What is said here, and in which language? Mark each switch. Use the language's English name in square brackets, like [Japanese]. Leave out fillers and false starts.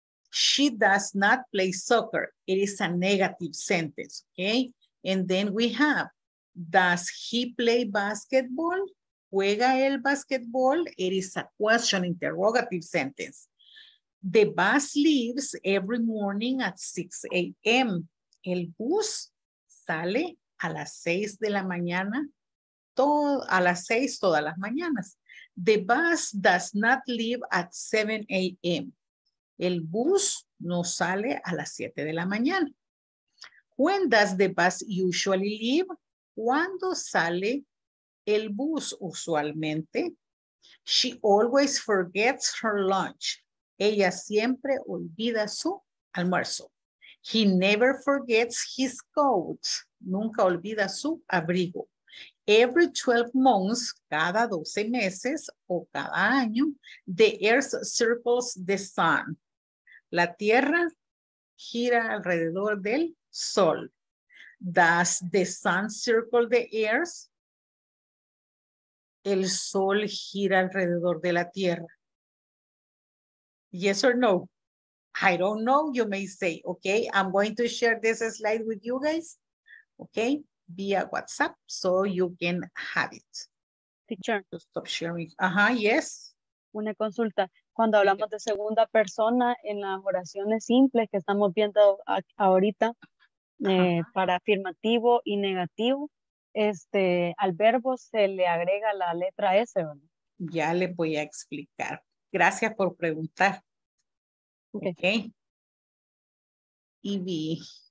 [English] She does not play soccer. It is a negative sentence, okay? And then we have, does he play basketball? [Spanish] ¿Juega el basketball? [English] It is a question, interrogative sentence. The bus leaves every morning at 6 a.m. [Spanish] El bus sale a las 6 de la mañana, a las 6 todas las mañanas. [English] The bus does not leave at 7 a.m. [Spanish] El bus no sale a las 7 de la mañana. [English] When does the bus usually leave? [Spanish] ¿Cuándo sale el bus usualmente? [English] She always forgets her lunch. [Spanish] Ella siempre olvida su almuerzo. [English] He never forgets his coat. [Spanish] Nunca olvida su abrigo. [English] Every 12 months, [Spanish] cada 12 meses o cada año, [English] the earth circles the sun. [Spanish] La tierra gira alrededor del sol. [English] Does the sun circle the earth? [Spanish] El sol gira alrededor de la tierra. [English] Yes or no? I don't know, you may say. Okay, I'm going to share this slide with you guys. Okay, via WhatsApp so you can have it. Teacher. To stop sharing. Uh-huh, yes. [Spanish] Una consulta. Cuando hablamos de segunda persona en las oraciones simples que estamos viendo ahorita, para afirmativo y negativo, al verbo se le agrega la letra S, ¿verdad? Ya le voy a explicar. Gracias por preguntar. Okay. Ivy.